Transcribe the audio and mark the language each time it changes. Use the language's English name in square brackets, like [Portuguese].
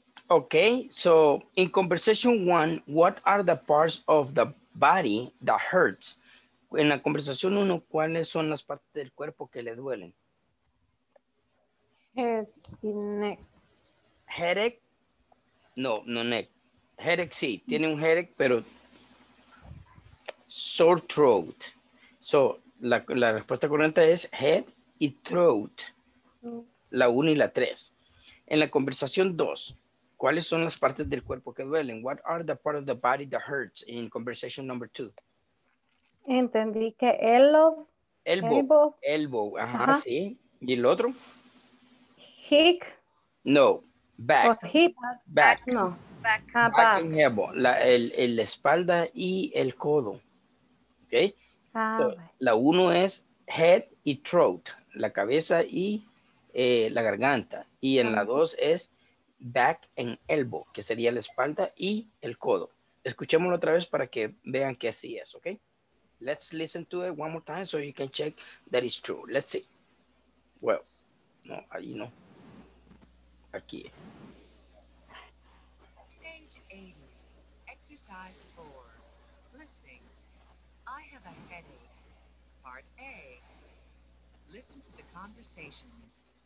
[English] Okay, so in conversation 1, what are the parts of the body that hurts? [Spanish] En la conversación 1, ¿cuáles son las partes del cuerpo que le duelen? [English] Head and neck. Headache No, no neck. Headache, sí. [Spanish] Tiene un headache, pero [English] sore throat. [Spanish] So, la respuesta correcta es head y throat. La 1 y la 3. En la conversación 2, ¿cuáles son las partes del cuerpo que duelen? [English] What are the parts of the body that hurts in conversation number 2? [Spanish] Entendí que elbow. Ajá, ajá, sí. ¿Y el otro? [English] Hick. No. Back. Oh, hip. Back. No. Back and elbow. [Spanish] El espalda y el codo. ¿Ok? [English] So, [Spanish] la 1 es head y throat. La cabeza y la garganta. Y en la 2 es [English] back and elbow, [Spanish] que sería la espalda y el codo. Escuchémoslo otra vez para que vean que así es, ¿ok? [English] Let's listen to it one more time so you can check that it's true. Let's see. Well, no, [Spanish] ahí no. Aquí. [English] Page 80, exercise 4. Listening. I have a headache. Part A. Listen to the conversations.